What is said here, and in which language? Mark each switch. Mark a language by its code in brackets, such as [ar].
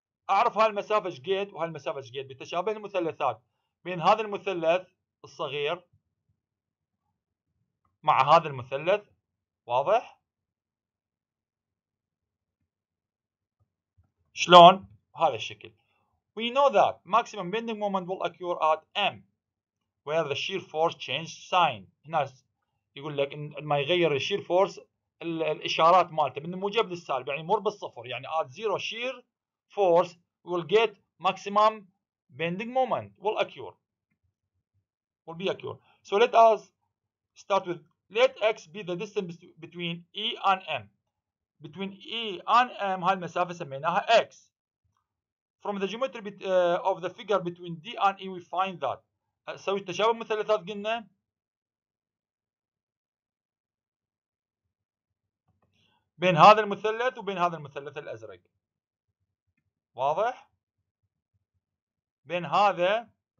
[ar] اعرف هالمسافه ايش قد وهالمسافه ايش قد بتشابه المثلثات بين هذا المثلث الصغير مع هذا المثلث واضح شلون؟ بهذا الشكل. [en] We know that maximum bending moment will occur at M, where the shear force changes sign. [ar] هنا يقول لك إن ما يغير الشير فورس الإشارات مالته من الموجب للسالب يعني مر بالصفر يعني [en] at zero shear force will get maximum bending moment will occur will be occur. So let us start with let x be the distance between E and M. Between E and M [ar] هاي المسافة سميناها x. [en] From the geometry of the figure between D and E we find that [ar] سوي التشابه مثلثات قلنا بين هذا المثلث وبين هذا المثلث الأزرق واضح؟ بين هذا